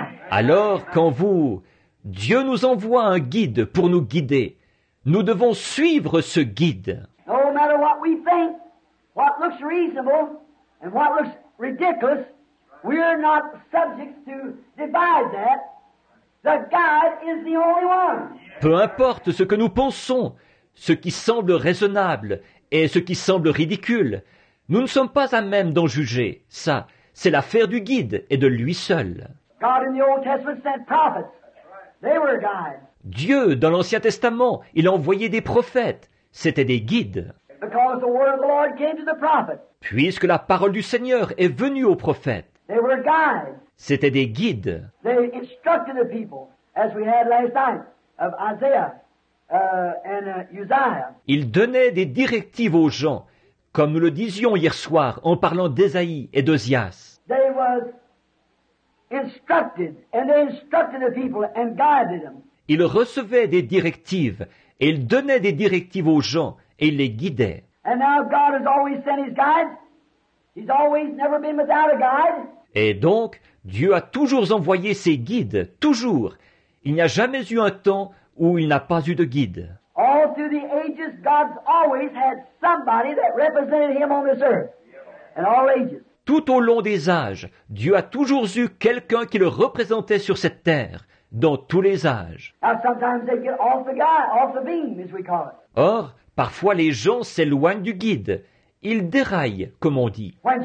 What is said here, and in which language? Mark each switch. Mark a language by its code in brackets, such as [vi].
[fr] Alors, quand vous, Dieu nous envoie un guide pour nous guider, nous devons suivre ce guide. [en] No matter what we think, what looks reasonable and what looks ridiculous, we are not subject to divide that. The guide is the only one. [fr] Peu importe ce que nous pensons, ce qui semble raisonnable et ce qui semble ridicule, nous ne sommes pas à même d'en juger. Ça, c'est l'affaire du guide et de lui seul. [en] God in the Old Testament sent prophets. They were guides. [fr] Dieu, dans l'Ancien Testament, il a envoyé des prophètes. C'était des guides. [en] Because the word of the Lord came to the prophets. [fr] Puisque la parole du Seigneur est venue aux prophètes, [en] they were guides. [fr] C'était des guides. [en] They instructed the people, as we had last night, of Isaiah and Uzziah. [fr] Ils donnaient des directives aux gens, comme nous le disions hier soir en parlant d'Ésaïe et d'Ozias. [en] They were instructed, and they instructed the people and guided them. [fr] Ils recevaient des directives, et ils donnaient des directives aux gens, et ils les guidaient. [en] And now God has always sent his guide. He's always never been without a guide. [fr] Et donc, Dieu a toujours envoyé ses guides, toujours. Il n'y a jamais eu un temps où il n'a pas eu de guide. [en] All through the ages, God's always had somebody that represented him on this earth. In all ages. [fr] Tout au long des âges, Dieu a toujours eu quelqu'un qui le représentait sur cette terre, dans tous les âges. [en] Now sometimes they get off the guide, off the beam, as we call it. [fr] Or, parfois les gens s'éloignent du guide. Ils déraillent, comme on dit.